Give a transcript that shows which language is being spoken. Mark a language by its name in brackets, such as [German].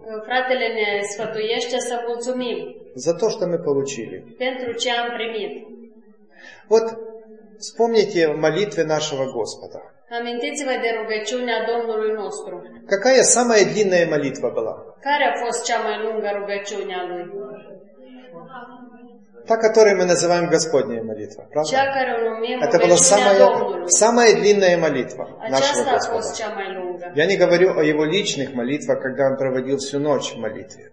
[Romanian] Fratele ne sfătuiește să mulțumim. [Russian] За то, что мы получили. [Romanian] Pentru ce am primit. [Russian] Вот вспомните молитвы нашего Господа. [Romanian] Amintiți-vă de rugăciunea Domnului nostru. [Russian] Какая самая длинная молитва была? [Romanian] Care a fost cea mai lungă rugăciune a lui? [Russian] Та, которую мы называем Господней молитвой, правда? [Romanian] Cea care o numim [Russian] Это была самая длинная молитва нашего Господа. [Romanian] Cea mai lungă. [Russian] Я не говорю о его личных молитвах, когда он проводил всю ночь в молитве.